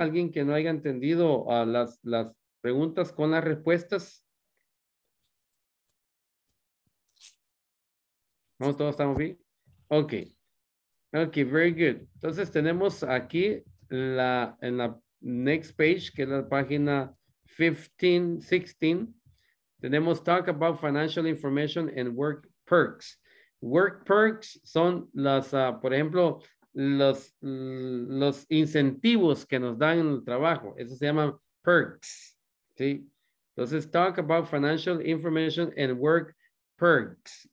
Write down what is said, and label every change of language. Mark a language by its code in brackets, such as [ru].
[es] ¿Alguien que no haya entendido las preguntas con las respuestas? ¿No todos estamos bien? Ok. [en] Ok, very good. [es] Entonces tenemos aquí en la [en] next page, [es] que es la página 15, 16. Tenemos [en] talk about financial information and work perks. [es] Work perks son las, por ejemplo, los incentivos que nos dan en el trabajo. Eso se llama perks. ¿Sí? Entonces, [en] talk about financial information and work perks.